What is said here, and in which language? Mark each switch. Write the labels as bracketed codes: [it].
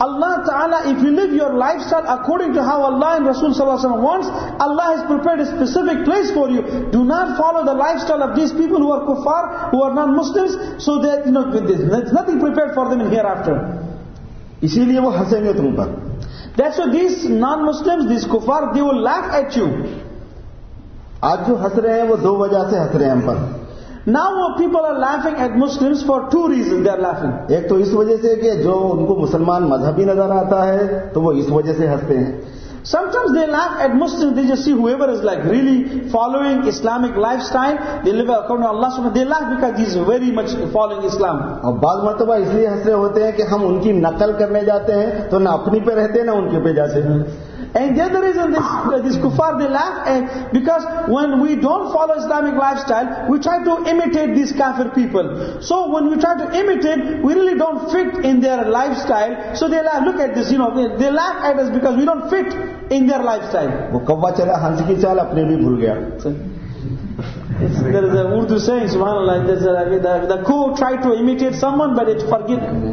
[en] Allah ta'ala, if you live your lifestyle according to how Allah and Rasul sallallahu alayhi wa sallam wants, Allah has prepared a specific place for you. Do not follow the lifestyle of these people who are kuffar, who are non-Muslims, so that, you know, there's nothing prepared for them in hereafter. [ur] اسی لیے وہ ہنسیں گے تم پر. [en] That's why these non-Muslims, these kuffar, they will laugh at you. [ur] آج جو ہنس رہے ہیں وہ دو وجہ سے ہنس رہے ہیں ہم پر. [en] Now people are laughing at Muslims for two reasons they are laughing. [ur] ایک تو اس وجہ سے کہ جو ان کو مسلمان مذہبی نظر آتا ہے تو وہ اس وجہ سے ہنستے ہیں. [en] Sometimes they laugh at Muslims, they just see whoever is like really following Islamic lifestyle, they live according to Allah subhanahu, they laugh because he is very much following Islam. [ur] اور بعض مرتبہ اس لیے ہنس رہے ہوتے ہیں کہ ہم ان کی نقل کرنے جاتے ہیں تو نہ اپنی پہ رہتے ہیں نہ ان کے پہ جاتے ہیں. [en] And the other reason this kuffar, they laugh and because when we don't follow Islamic lifestyle, we try to imitate these kafir people. So when we try to imitate, we really don't fit in their lifestyle. So they laugh, look at this, you know, they laugh at us because we don't fit in their lifestyle. [ur] وہ کوا چلا ہنس کی چال اپنے بھی بھول گیا. [en] There is a Urdu saying, subhanAllah, the crow tried to imitate someone, but it forgot.